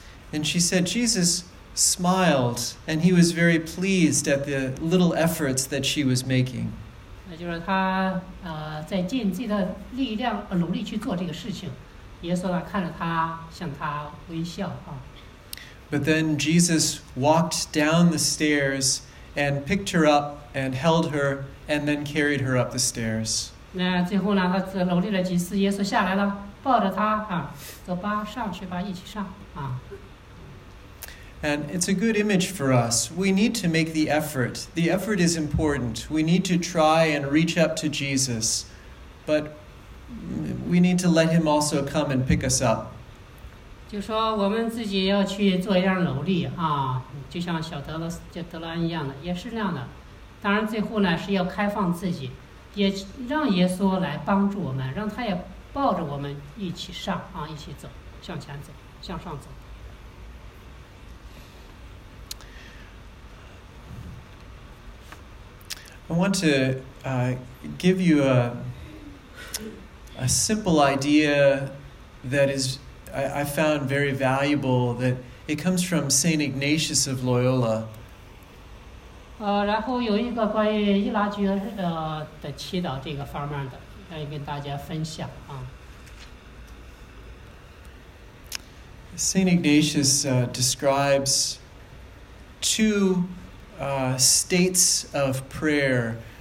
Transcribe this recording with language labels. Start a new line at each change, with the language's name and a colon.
English: And she said Jesus smiled and he was very pleased at the little efforts that she was making.
Chinese: 那就是他在尽自己的力量努力去做这个事情，耶稣呢看着他向他微笑啊。
English: But then Jesus walked down the stairs and picked her up and held her and then carried her up the stairs.
Chinese: 那最后呢，他努力了几次，耶稣下来了。抱着他啊，走吧，上去吧，一起上啊。
English: And it's a good image for us. We need to make the effort. The effort is important. We need to try and reach up to Jesus, but we need to let Him also come and pick us up.
Chinese: 就说我们自己要去做一样努力啊，就像小德兰一样的，也是那样的。当然，最后呢是要开放自己，也让耶稣来帮助我们，让他也。抱着我们一起上啊，一起走，向前走，向上走。
English: I want to give you a simple idea that is I found very valuable, that it comes from St. Ignatius of Loyola.
Chinese: 然后有一个关于伊拉爵士 的祈祷这个方面的，愿意跟大家分享啊。
English: St. Ignatius describes two states of prayer.